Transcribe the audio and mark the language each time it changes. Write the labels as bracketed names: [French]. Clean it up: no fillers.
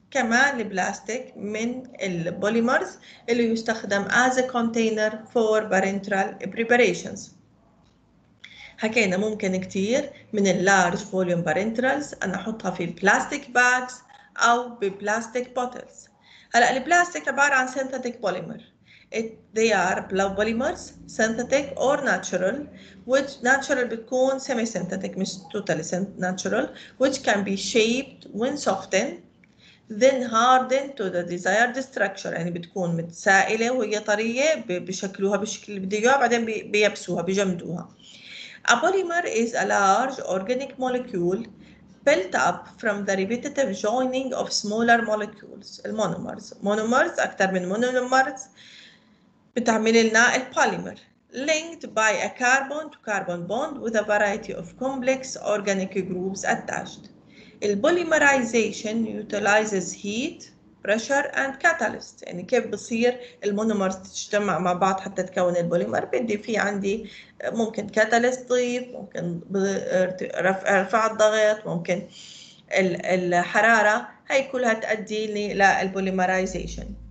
[Arabic] كمان البلاستيك من البوليمرز اللي يستخدم [English] as a container for parenteral preparations. [Arabic] حكينا ممكن كتير من اللارج فوليوم parenterals أنا أحطها في بلاستيك باكس أو ببلاستيك بوتلز. هلأ البلاستيك عبارة عن synthetic polymer. [English] They are blue polymers, synthetic or natural, which natural [Arabic] بتكون [English] semi-synthetic [Arabic] مش [English] totally natural, which can be shaped when softened then hardened to the desired structure. [Arabic] يعني بتكون متسائلة وهي طرية بشكلوها بشكل اللي بده اياه، بعدين بيبسوها بجمدوها. [English] A polymer is a large organic molecule built up from the repetitive joining of smaller molecules. [Arabic] المونومرز، مونومرز أكثر من مونومرز بتعمل لنا البوليمر. [English] linked by a carbon-to-carbon bond with a variety of complex organic groups attached. Polymerization utilizes heat, pressure, and catalyst. [Arabic] يعني كيف بصير المونومر تجتمع مع بعض حتى تكون البوليمر؟ بدي في عندي ممكن كاتاليست ضيف، ممكن رفع الضغط، ممكن الحرارة، هاي كلها تؤدي للبوليمرايزيشن.